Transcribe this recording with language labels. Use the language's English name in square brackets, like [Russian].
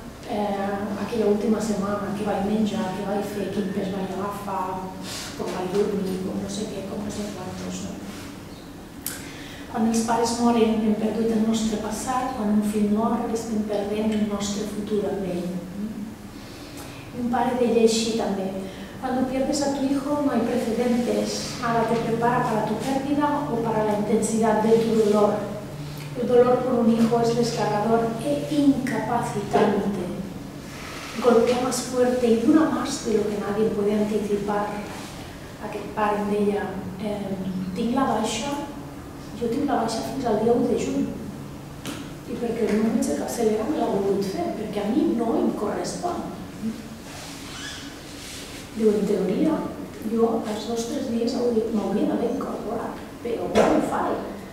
[Catalan] aquella última setmana, què vaig menjar, què vaig fer, quin pes vaig agafar, com vaig dormir, com no sé què, com no sé quantos. No? Quan els pares moren, hem perdut el nostre passat, quan un fill mor, estem perdent el nostre futur amb ell. Un pare deia així també, [Spanish] cuando pierdes a tu hijo no hay precedentes, ahora te prepara para tu pérdida o para la intensidad de tu dolor. El dolor por un hijo es desgarrador e incapacitante. Golpea más fuerte y dura más de lo que nadie puede anticipar. [Catalan] Aquel pare deia, tinc la baixa, jo tinc la baixa fins al dia 1 de juny. I perquè el meu metge capçalera me l'ha volgut fer, perquè a mi no em correspon. Diu, en teoria, jo els dos o tres dies m'hauria d'haver incorporat, però no ho faig.